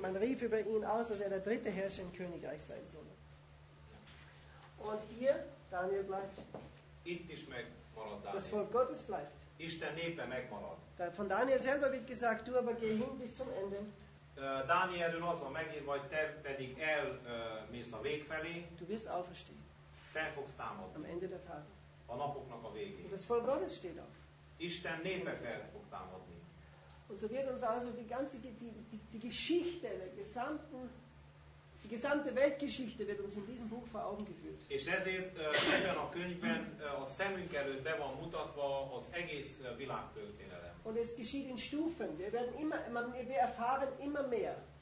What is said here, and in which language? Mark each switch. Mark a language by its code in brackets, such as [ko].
[de] man rief über ihn aus, dass er der dritte Herrscher im Königreich sein soll. Und hier, Daniel bleibt. [hu] Itt is megmarad Daniel. [de] Das Volk Gottes bleibt. [hu] Isten népe megmarad. [de] Von Daniel selber wird gesagt, du aber geh hin bis zum Ende. [hu] Dánielről azon megír, vagy te pedig elmész a vég felé. [de] Du wirst auferstehen. [hu] Te fogsz támadni. [de] Am Ende der Tage. [hu] A napoknak a végén. [de] Und das Volk Gottes steht auf. [hu] Isten népe fel fog támadni. [de] Und so wird uns also die ganze die Geschichte der gesamten die gesamte Weltgeschichte wird uns in diesem Buch vor Augen geführt. [hu] És ezért ebben a könyvben a szemünk előtt be van mutatva az egész világ történelem. [de] Und es geschieht in Stufen. Wir erfahren immer mehr.